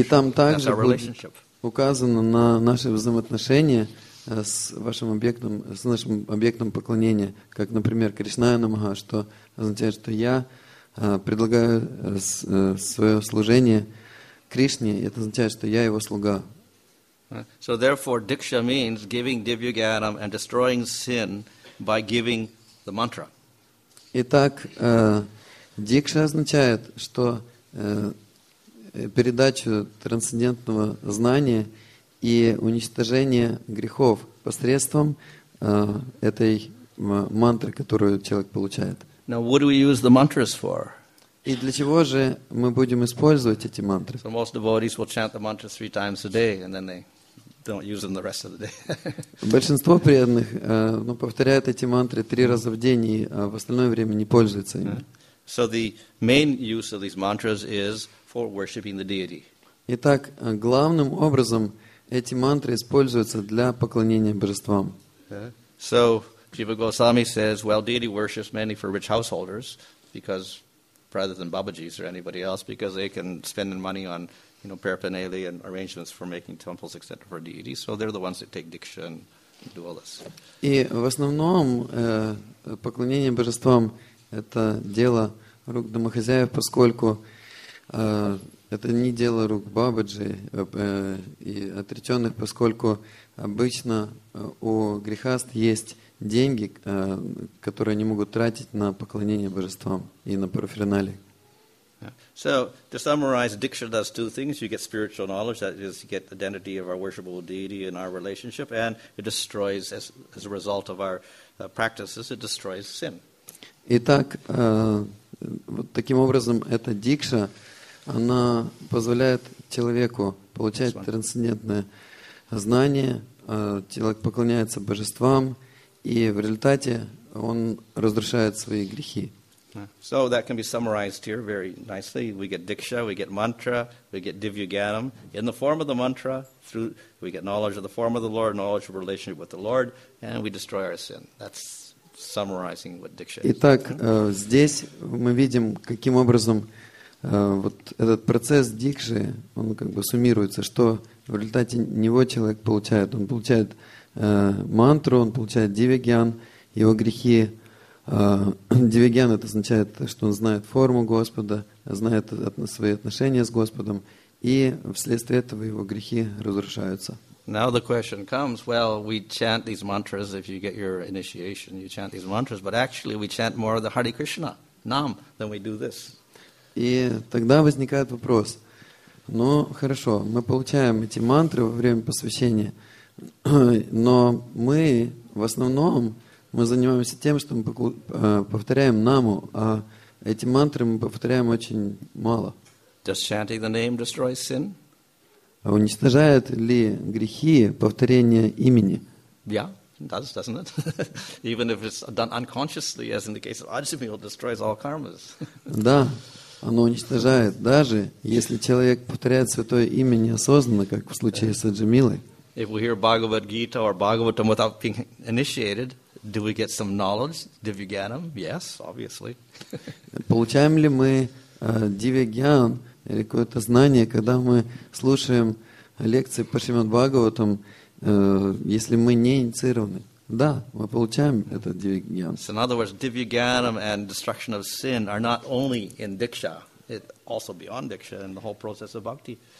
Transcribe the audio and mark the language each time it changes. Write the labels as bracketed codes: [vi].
[ru] И там также будет указано на наши взаимоотношения с вашим объектом, с нашим объектом поклонения, как, например, Кришная Намаха, что означает, что я предлагаю свое служение Кришне, и это означает, что я его слуга. [en] So therefore, diksha means giving divyagyanam and destroying sin by giving the mantra. [ru] Итак, дикша означает, что передачу трансцендентного знания и уничтожение грехов посредством этой мантры, которую человек получает. [en] Now, what do we use the mantras for? [ru] И для чего же мы будем использовать эти мантры? [en] So most devotees will chant the mantras three times a day, and then they don't use them the rest of the day. [ru] Большинство преданных повторяют эти мантры три раза в день, и в остальное время не пользуются ими. [en] So the main use of these mantras is for worshiping the deity. [ru] Итак, главным образом эти мантры используются для поклонения божествам. [en] So Jiva Goswami says, well, deity worships mainly for rich householders, because rather than Babaji's or anybody else, because they can spend money on, you know, paraphernalia and arrangements for making temples, etc., for deities. So they're the ones that take diksha and do all this. [ru] И в основном поклонение божествам это дело рук домохозяев, поскольку это не дело рук Бабаджи и отреченных, поскольку обычно у грехаст есть деньги, которые они могут тратить на поклонение божествам и на параферналии. [en] So, to summarize, diksha does two things. You get spiritual knowledge, that is, you get the identity of our worshipable deity in our relationship, and it destroys, as a result of our practices, it destroys sin. [ru] Итак, вот таким образом, эта дикша, она позволяет человеку получать трансцендентное знание, человек поклоняется божествам, и в результате он разрушает свои грехи. [en] So that can be summarized here very nicely. We get diksha, we get mantra, we get divyaganam in the form of the mantra. Through we get knowledge of the form of the Lord, knowledge of relationship with the Lord, and we destroy our sin. That's summarizing what diksha is. [ru] Итак, здесь мы видим, каким образом вот этот процесс дикши, он как бы суммируется, что в результате него человек получает. Он получает мантру, он получает дивиган, его грехи. Дивиган — это означает, что он знает форму Господа, знает свои отношения с Господом, и вследствие этого его грехи разрушаются. [en] Now the question comes, well, we chant these mantras if you get your initiation, you chant these mantras, but actually we chant more of the Hare Krishna, nam, than we do this. [ru] И тогда возникает вопрос. Ну, хорошо, мы получаем эти мантры во время посвящения, но мы в основном мы занимаемся тем, что мы повторяем наму, а эти мантры мы повторяем очень мало. [en] Does chanting the name destroy sin? [ru] Уничтожает ли грехи повторение имени? [en] Yeah. It does, doesn't it? Even if it's done unconsciously, as in the case of Ajami, it destroys all karmas. [ru] Да. Оно уничтожает, даже если человек повторяет святое имя неосознанно, как в случае с Аджамилой. [en] If we hear Bhagavad Gita or Bhagavatam without being initiated, do we get some knowledge, Divyaganam? Yes, obviously. [ru] Получаем ли мы Divyagyan или какое-то знание, когда мы слушаем лекции по Шримад Бхагаватам, если мы не инициированы? Да, мы получаем этот дивиган. [en] So in other words, divyaganam and destruction of sin are not only in diksha, it also beyond diksha and the whole process of bhakti.